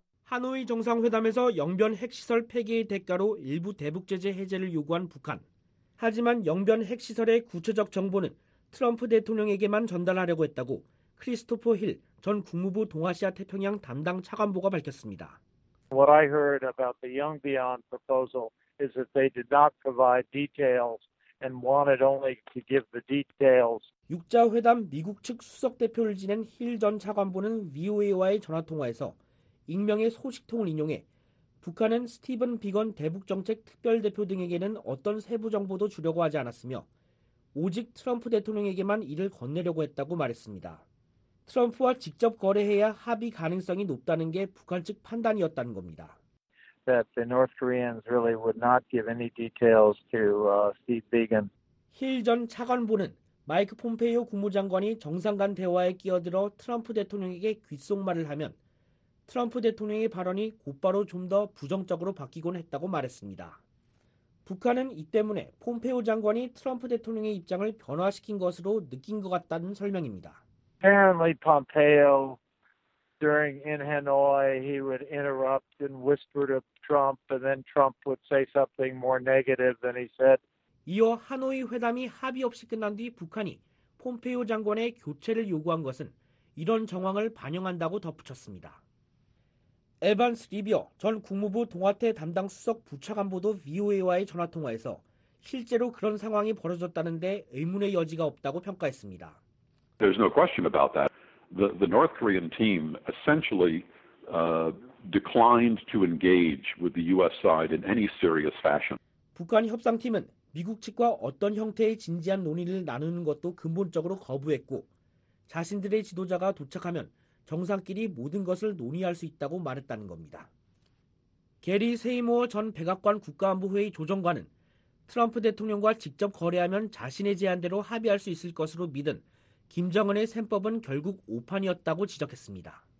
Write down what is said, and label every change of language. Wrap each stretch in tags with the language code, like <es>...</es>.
<ko>하노이 정상회담에서 영변 핵시설 폐기의 대가로 일부 대북 제재 해제를 요구한 북한. 하지만 영변 핵시설의 구체적 정보는 트럼프 대통령에게만 전달하려고 했다고 크리스토퍼 힐 전 국무부 동아시아 태평양 담당 차관보가 밝혔습니다.</ko> <en>What I heard about the Yongbyon proposal is that they did not provide details and wanted only to give the details.</en> <ko>6자 회담 미국 측 수석 대표를 지낸 힐 전 차관보는 VOA와의 전화 통화에서 익명의 소식통을 인용해 북한은 스티븐 비건 대북 정책 특별 대표 등에게는 어떤 세부 정보도 주려고 하지 않았으며 오직 트럼프 대통령에게만 이를 건네려고 했다고 말했습니다. 트럼프와 직접 거래해야 합의 가능성이 높다는 게 북한 측 판단이었다는 겁니다.</ko> <en>That the North Koreans really would not give any details to Steve Biegun.</en> <ko>힐 전 차관보는 마이크 폼페이오 국무장관이 정상 간 대화에 끼어들어 트럼프 대통령에게 귓속말을 하면 트럼프 대통령의 발언이 곧바로 좀 더 부정적으로 바뀌곤 했다고 말했습니다. 북한은 이 때문에 폼페이오 장관이 트럼프 대통령의 입장을 변화시킨 것으로 느낀 것 같다는 설명입니다.</ko> <en>Apparently, Pompeo, during in Hanoi, he would interrupt and whisper to Trump, and then Trump would say something more negative than he said.</en> <ko>이어 하노이 회담이 합의 없이 끝난 뒤 북한이 폼페이오 장관의 교체를 요구한 것은 이런 정황을 반영한다고 덧붙였습니다. 에반스 리비어 전 국무부 동아태 담당 수석 부차관보도 VOA와의 전화통화에서 실제로 그런 상황이 벌어졌다는데 의문의 여지가 없다고 평가했습니다.</ko> <en>There's no question about that. The North Korean team essentially declined to engage with the U.S. side in any serious fashion.</en> <ko>북한 협상팀은 미국 측과 어떤 형태의 진지한 논의를 나누는 것도 근본적으로 거부했고 자신들의 지도자가 도착하면 정상끼리 모든 것을 논의할 수 있다고 말했다는 겁니다. 게리 세이모어 전 백악관 국가안보회의 조정관은 트럼프 대통령과 직접 거래하면 자신의 제안대로 합의할 수 있을 것으로 믿은 김정은의 셈법은 결국 오판이었다고 지적했습니다.</ko>